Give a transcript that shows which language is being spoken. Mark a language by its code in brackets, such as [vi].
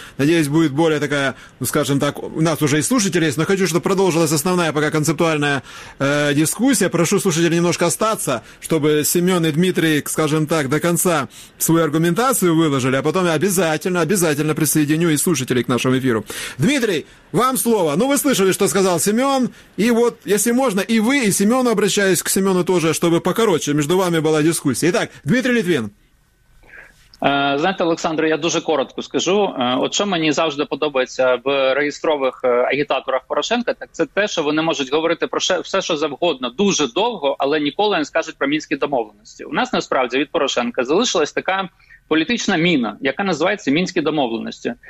[uk] Надіюсь, буде більш така, ну, скажімо так, у нас вже і слушателі є, але хочу, щоб продовжилась основна поки концептуальна дискусія. Прошу слушателів немножко остатися, щоб Семен і Дмитрий, скажімо так, до кінця свою аргументацію виложили, а потім я обов'язково присоединю і слушателів к нашому ефіру. [ru] Дмитрий, вам слово. Ну, вы слышали, что сказал Семен. И вот, если можно, и вы, и Семену обращаюсь к Семену тоже, чтобы покороче между вами была дискуссия. Итак, Дмитрий Литвин. [uk] Знаєте, Олександр, я дуже коротко скажу. От що мені завжди подобається в реєстрових агітаторах Порошенка, так це те, що вони можуть говорити про все, що завгодно, дуже довго, але ніколи не скажуть про мінські домовленості. У нас насправді від Порошенка залишилась така політична міна, яка називається мінські домовленості.